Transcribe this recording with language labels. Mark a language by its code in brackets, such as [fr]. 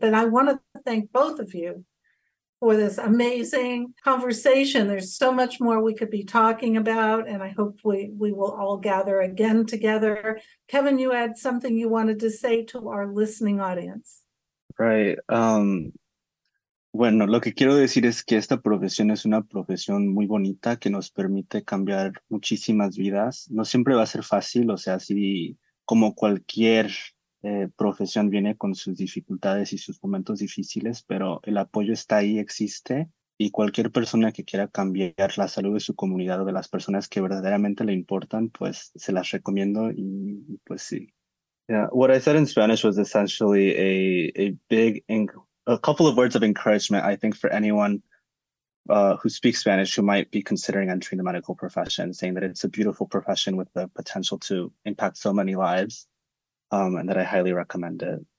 [en] But I want to thank both of you for this amazing conversation. There's so much more we could be talking about, and I hope we will all gather again together. Kevin, you had something you wanted to say to our listening audience. Right. [es] Bueno, lo que quiero decir es que esta profesión es una profesión muy bonita que nos permite cambiar muchísimas vidas. No siempre va a ser fácil, o sea, si como cualquier profesión viene con sus dificultades y sus momentos difíciles, pero el apoyo está ahí, existe, y cualquier persona que quiera cambiar la salud de su comunidad o de las personas que verdaderamente le importan, pues se las recomiendo y pues sí. [en] Yeah, what I said in Spanish was essentially a couple of words of encouragement, I think, for anyone who speaks Spanish who might be considering entering the medical profession, saying that it's a beautiful profession with the potential to impact so many lives, and that I highly recommend it.